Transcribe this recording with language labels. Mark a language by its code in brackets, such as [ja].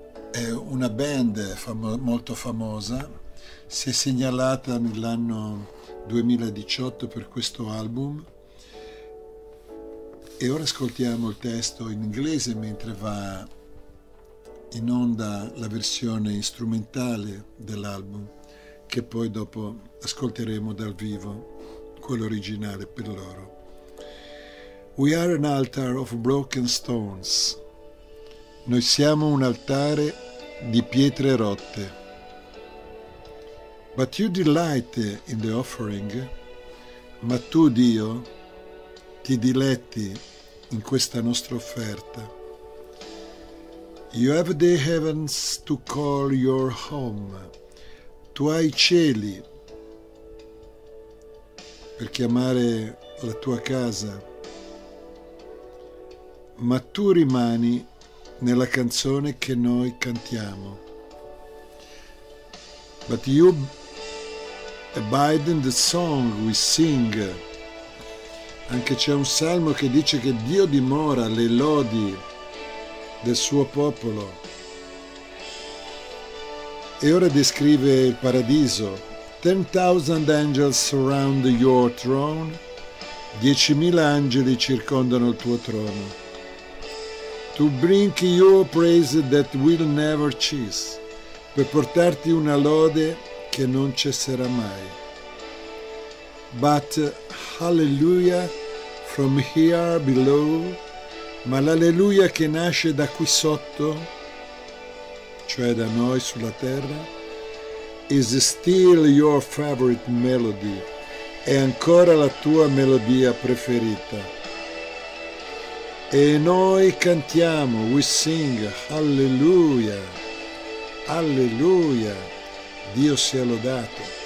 [it] è una band molto famosa, si è segnalata nell'anno 2018 per questo album, e ora ascoltiamo il testo in inglese mentre va in onda la versione strumentale dell'album, che poi dopo ascolteremo dal vivo, quello originale per loro. [en] We are an altar of broken stones. [it] Noi siamo un altare di pietre rotte. [en] But you delight in the offering, [it] ma tu, Dio, ti diletti in questa nostra offerta. [en] You have the heavens to call your home. [it] Tu hai i cieli per chiamare la tua casa, ma tu rimani nella canzone che noi cantiamo. [en] But you abide in the song we sing. [it] Anche c'è un salmo che dice che Dio dimora le lodi del suo popolo. E ora descrive il paradiso. [en] 10,000 angels surround your throne. [it] 10,000 angeli circondano il tuo trono. [en] To bring your praise that will never cease. [it] Per portarti una lode che non cesserà mai. [en] But hallelujah from here below. [it] Ma l'alleluia che nasce da qui sotto, cioè da noi sulla terra, [en] is still your favorite melody. [it] è ancora la tua melodia preferita. E noi cantiamo, [en] we sing, [it] alleluia, alleluia, Dio sia lodato.